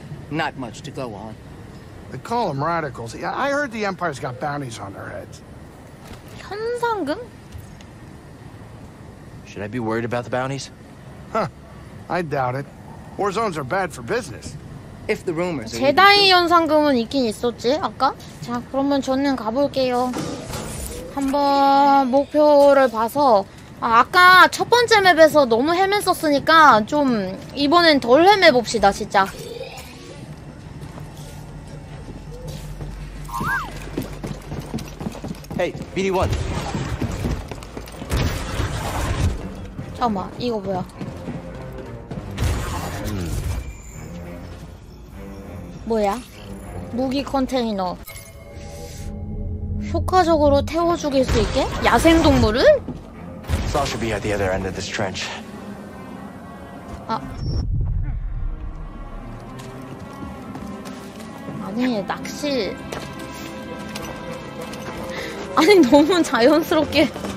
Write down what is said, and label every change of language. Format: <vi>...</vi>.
<en>Not much to go on. They call them radicals. I heard the Empire's got bounties on their heads.</en> <ko>현상금?</ko> <en>Should I be worried about the bounties? Huh. I doubt it. War zones are bad for business. If the rumors.</en> <ko>제다이 현상금은 있긴 있었지 아까. 자 그러면 저는 가볼게요. 한번 목표를 봐서 아, 아까 첫 번째 맵에서 너무 헤맸었으니까 좀 이번엔 덜 헤매봅시다 진짜. 헤이 BD1. 잠깐만 이거 뭐야. 뭐야? 무기 컨테이너. 효과적으로 태워 죽일 수 있게? 야생 동물을?</ko> <en>Saw should be at the other end of this trench. 아.</en> <ko>아니, 낚시. 아니, 너무 자연스럽게.</ko>